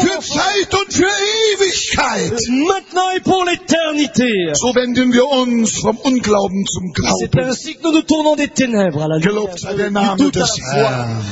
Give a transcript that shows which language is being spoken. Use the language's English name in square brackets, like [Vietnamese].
[German] für Zeit und für Ewigkeit. [French] Maintenant et pour l'éternité. [German] So wenden wir uns vom Unglauben zum Glauben. [French] C'est ainsi que nous nous tournons des ténèbres à la lumière. [German] Gelobt sei der Name des Herrn.